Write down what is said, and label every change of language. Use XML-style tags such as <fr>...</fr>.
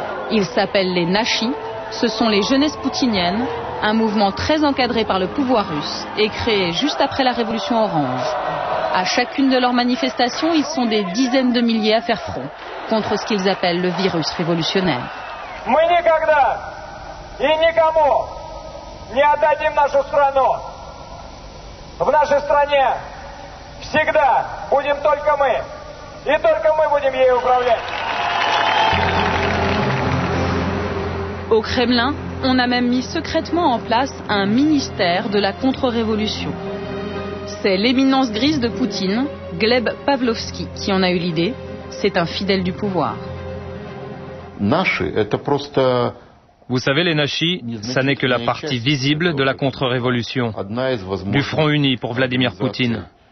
<fr>Ils s'appellent les Nashi, ce sont les jeunesses poutiniennes, un mouvement très encadré par le pouvoir russe et créé juste après la révolution orange. À chacune de leurs manifestations, ils sont des dizaines de milliers à faire front contre ce qu'ils appellent le virus révolutionnaire.</fr> <ru>Мы никогда и никому не отдадим нашу страну. В нашей стране всегда будем только мы, и только мы будем ею управлять.</ru> <fr>Au Kremlin, on a même mis secrètement en place un ministère de la contre-révolution. C'est l'éminence grise de Poutine, Gleb Pavlovski, qui en a eu l'idée. C'est un fidèle du pouvoir. Vous savez, les Nashi, ça n'est que la partie visible de la contre-révolution, du front uni pour Vladimir Poutine.</fr>